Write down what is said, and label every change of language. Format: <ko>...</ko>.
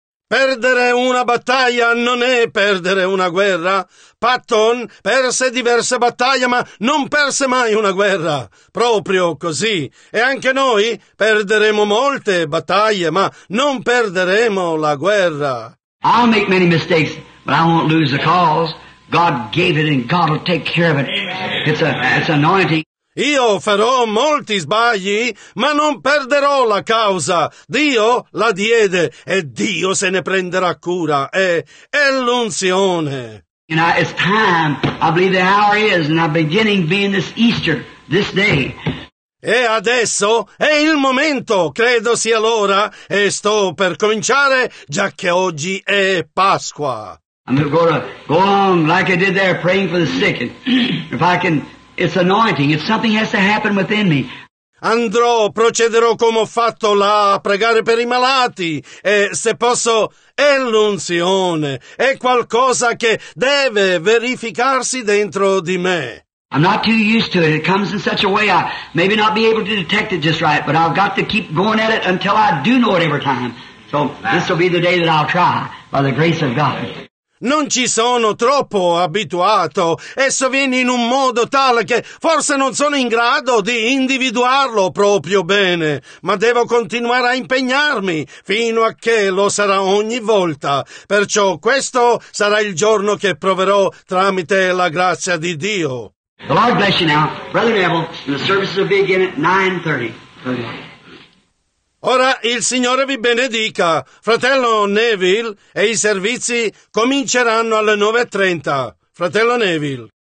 <it>Perdere una battaglia non è perdere una guerra. Patton perse diverse battaglie, ma non perse mai una guerra. Proprio così. E anche noi perderemo molte battaglie, ma non perderemo la guerra.</it> <en>I'll make many mistakes, but I won't lose the cause. God gave it and God will take care of it. It's anointing.</en> <it>Io farò molti sbagli, ma non perderò la causa. Dio la diede e Dio se ne prenderà cura. È l'unzione.</it> <en>You know, it's time. I believe the hour is, and I'm beginning being this Easter, this day.</en> <it>E adesso è il momento, credo sia l'ora, e sto per cominciare, già che oggi è Pasqua.</it> <en>I'm going to go on like I did there, praying for the sick. And if I can... It's anointing. It's something has to happen within me.</en> <it>Andrò, procederò come ho fatto là a pregare per i malati. E se posso, è l'unzione. È qualcosa che deve verificarsi dentro di me.</it> <en>I'm not too used to it. It comes in such a way I maybe not be able to detect it just right, but I've got to keep going at it until I do know it every time. So this will be the day that I'll try, by the grace of God.</en> <it>Non ci sono troppo abituato. Esso viene in un modo tale che forse non sono in grado di individuarlo proprio bene. Ma devo continuare a impegnarmi fino a che lo sarà ogni volta. Perciò questo sarà il giorno che proverò tramite la grazia di Dio.</it> <en>The Lord bless you now. Brother Neville, the services will begin at 9:30.</en> <it>Ora il Signore vi benedica, fratello Neville, e i servizi cominceranno alle 9:30. Fratello Neville.</it>